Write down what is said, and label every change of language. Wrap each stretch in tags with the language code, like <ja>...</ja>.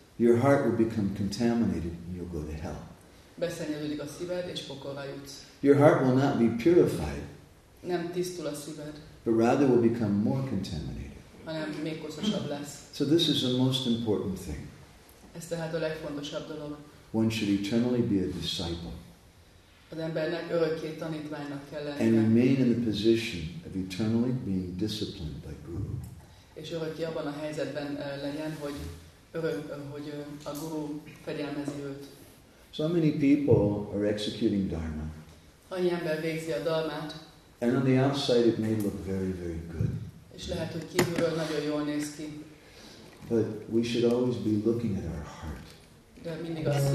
<en>Your heart will become contaminated and you'll go to hell.</en> <hu>Beszennyeződik a szíved, és pokolra jutsz.</hu> <en>Your heart will not be purified.</en> <hu>Nem tisztul a szíved.</hu> <en>But rather will become more contaminated.</en> <hu>Hanem még koszosabb lesz.</hu> <en>So this is the most important thing.</en> <hu>Ez tehát a legfontosabb dolog.</hu> <en>One should eternally be a disciple.</en> <hu>Az embernek örökké tanítványnak kell lennie.</hu> <en>And remain in the position of eternally being disciplined by Guru.</en> <hu>És örökké abban a helyzetben legyen, hogy hogy a Guru fegyelmezi őt.</hu> <en>So many people are executing dharma.</en> <hu>Annyi ember végzi a dharmát.</hu> <en>And on the outside it may look very, very good.</en> <hu>És lehet, hogy kívülről nagyon jól néz ki.</hu> <en>But we should always be looking at our heart.</en>